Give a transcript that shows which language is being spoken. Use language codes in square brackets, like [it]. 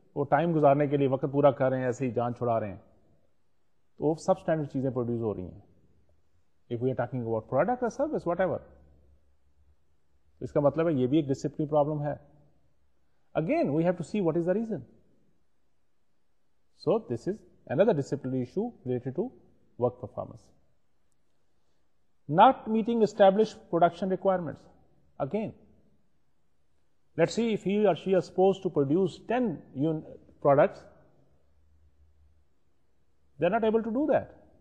[ur] وہ time گزارنے کے لیے وقت پورا کر رہے ہیں, ایسے ہی جان چھڑا رہے ہیں, تو وہ سب اسٹینڈرڈ چیزیں پروڈیوس ہو رہی ہیں. [en] If we are talking about product or service, whatever. [ur] اس کا مطلب ہے یہ بھی ایک ڈسپلن پرابلم ہے. [en] Again, we have to see what is the reason. So this is another disciplinary issue related to work performance. Not meeting established production requirements. Again, let's see if he or she is supposed to produce 10 products, they're not able to do that.